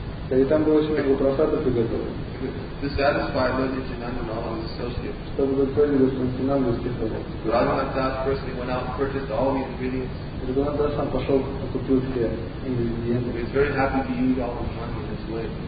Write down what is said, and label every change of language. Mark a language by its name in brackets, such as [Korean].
[Russian] И там было очень много прасада приготовлено. [English] To satisfy Lord Nityananda and all his associates. [Russian] Чтобы удовлетворить Лорда Нитьянанду и всех его. [English] Raghunath Das personally went out and purchased all the ingredients. He was very happy to use all the money in this way.